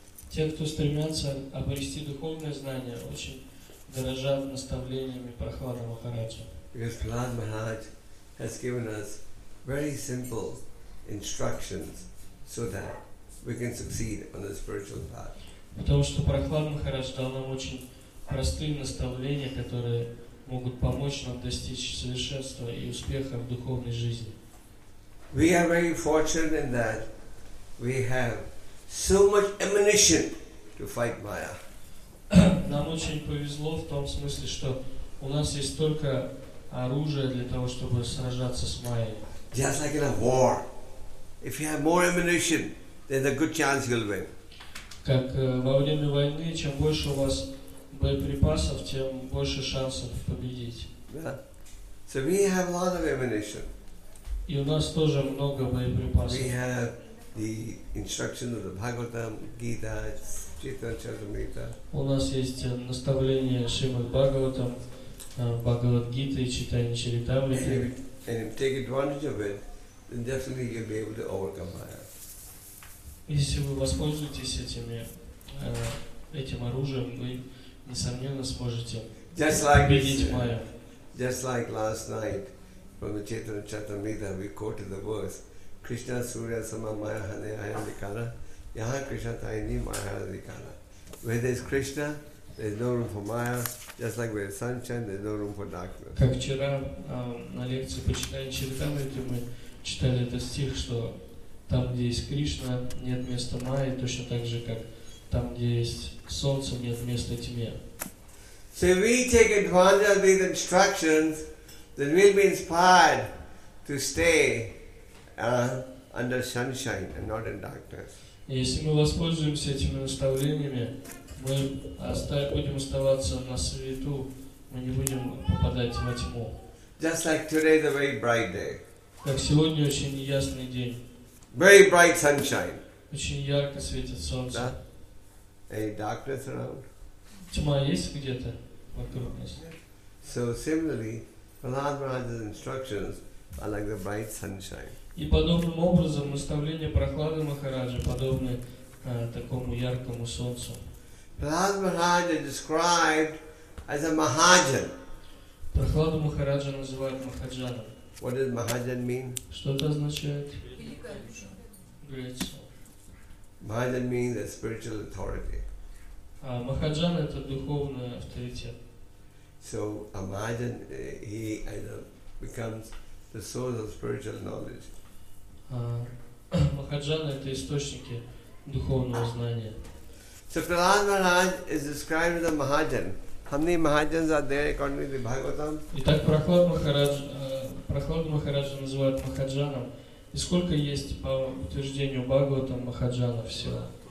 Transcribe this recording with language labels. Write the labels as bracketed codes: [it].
[ru] Те, кто стремятся обрести духовное знание, очень дорожат наставлениями Прахлада Махараджа. [en] Because Prahlad Maharaj has given us very simple instructions so that we can succeed on the spiritual path. [ru] Потому что Прахлад Махарадж дал нам очень простые наставления, которые могут помочь нам достичь совершенства и успеха в духовной жизни. [en] We are very fortunate in that we have so much ammunition to fight Maya. [ru] Нам очень повезло в том смысле, что у нас есть столько оружия для того, чтобы сражаться с Майей. [en] Just like in a war, if you have more ammunition, then a good chance you'll win. [ru] Как во время войны, чем больше у вас боеприпасов, тем больше шансов победить. [en] Yeah. So we have a lot of ammunition. [ru] И у нас тоже много боеприпасов. [en] We have the instructions of the Bhagavatam, Gita, Chaitanya Charitamrita. [ru] У нас есть наставления Шримад Бхагаватам, Бхагавад Гита и Чайтанья Чаритамрита. [en] And if you take advantage of it, then definitely you'll be able to overcome Maya. [ru] Если вы воспользуетесь этими этим оружием, вы несомненно сможете победить Майя. [en] Just like last night from the Chaitanya Charitamrita, we quoted the verse Krishna Surya Sama Maya Hane Ayandikara Yaha Krishna Taini Maya Hanadikara. Where there's Krishna, there's no room for Maya. Just like where sunshine, there's no room for darkness. [ru] Как вчера на лекции по читанию Чаритамриты мы читали этот стих, что там, где есть Кришна, нет места Майи, точно так же, как там, где есть солнце, нет места тьме. [en] So if we take advantage of these instructions, then we'll be inspired to stay under sunshine and not in darkness. [ru] Если мы воспользуемся этими наставлениями, мы будем оставаться на свету, мы не будем попадать во тьму. [en] Just like today, the very bright day. [ru] Как сегодня очень ясный день. [en] Very bright sunshine. [ru] Очень ярко светит солнце. Да? [en] Any darkness around? [ru] Тьма есть где-то вокруг нас. [en] So similarly, Prahlad Maharaj's instructions are like the bright sunshine. [ru] И подобным образом наставления Прохлады Махараджа подобны такому яркому солнцу. [en] Prahlad Maharaj is described as a Mahajan. [ru] Prahlada Maharaja называют Mahajan. [en] What does Mahajan mean? [ru] Что это означает? [en] Mahajan means a spiritual authority. [ru] Mahajan это духовный авторитет. [en] So a Mahajan he either becomes the source of spiritual knowledge. [ru] Mahajan это источники духовного знания. [en] So Prahlad Maharaj is described as a Mahajan. How many Mahajans are there according to the Bhagavatam? [ru] Итак, Прохлада Махараджа называют Махаджаном. И сколько есть по утверждению Бхагаватам Махаджанов всего?